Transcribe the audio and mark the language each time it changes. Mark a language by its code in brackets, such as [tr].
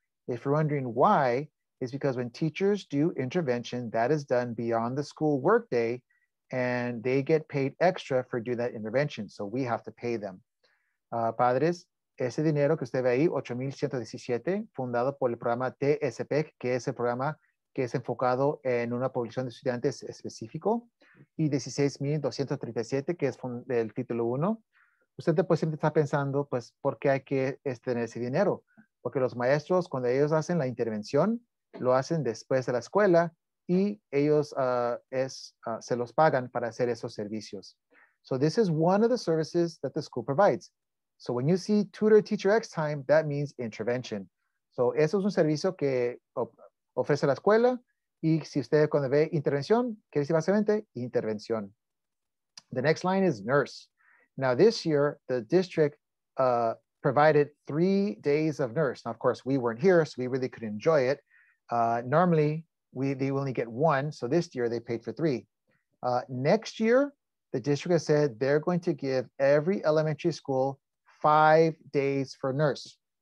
[en] If you're wondering why, it's because when teachers do intervention, that is done beyond the school workday, and they get paid extra for doing that intervention. So we have to pay them. [es] Padres, ese dinero que usted ve ahí, 8,117, fundado por el programa TSP, que es el programa que es enfocado en una población de estudiantes específico, y 16,237, que es del título 1. Usted pues siempre está pensando, pues, ¿por qué hay que tener ese dinero? Porque los maestros, cuando ellos hacen la intervención, lo hacen después de la escuela y ellos se los pagan para hacer esos servicios. [en] So this is one of the services that the school provides. So when you see tutor, teacher, X time, that means intervention. [es] So eso es un servicio que ofrece la escuela y si usted cuando ve intervención, quiere decir básicamente intervención. [en] The next line is nurse. Now this year, the district provided 3 days of nurse. Now, of course, we weren't here, so we really couldn't enjoy it. Normally, they only get one, so this year they paid for three. Next year, the district has said they're going to give every elementary school 5 days for nurse.